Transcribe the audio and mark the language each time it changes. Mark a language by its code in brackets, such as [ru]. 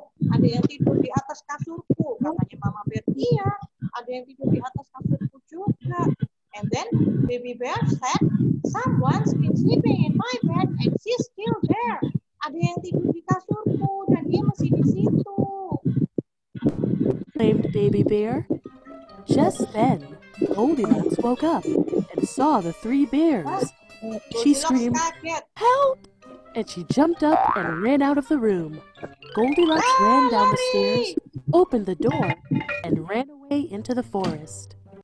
[id] Ada yang tidur di atas kasurku, katanya Mama Bear. Iya, ada yang tidur di atas kasurku juga. [en] And then Baby Bear said, someone's been sleeping in my bed and she's still there. [id] Ada yang tidur di kasurku dan dia masih di situ. [en] Named Baby Bear. Just then, Goldilocks woke up and saw the three bears. She screamed, help! And she jumped up and ran out of the room. Goldilocks ran down the stairs, opened the door, and ran away into the forest.